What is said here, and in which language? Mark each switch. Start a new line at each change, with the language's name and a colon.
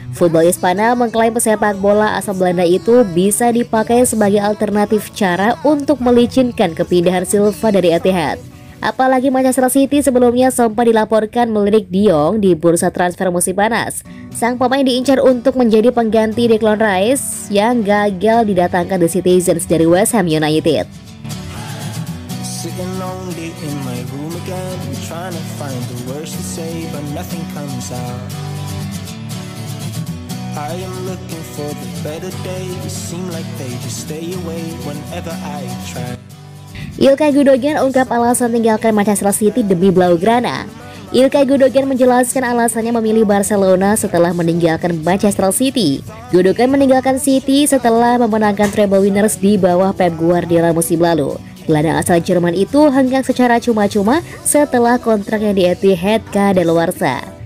Indonesian: Football Hispana mengklaim pesepak bola asal Belanda itu bisa dipakai sebagai alternatif cara untuk melicinkan kepindahan Silva dari Etihad. Apalagi Manchester City sebelumnya sempat dilaporkan melirik de Jong di bursa transfer musim panas. Sang pemain diincar untuk menjadi pengganti Declan Rice yang gagal didatangkan The Citizens dari West Ham United.
English: Sitting lonely in my room again, trying to find the words to say, but nothing comes out. I am looking for the better days, seem like they just stay away whenever I try.
Indonesian: Ilkay Gundogan ungkap alasan tinggalkan Manchester City demi Blaugrana. Ilkay Gundogan menjelaskan alasannya memilih Barcelona setelah meninggalkan Manchester City. Gundogan meninggalkan City setelah memenangkan treble winners di bawah Pep Guardiola musim lalu. Gelandang asal Jerman itu hengkang secara cuma-cuma setelah kontraknya di Etihad kadaluarsa.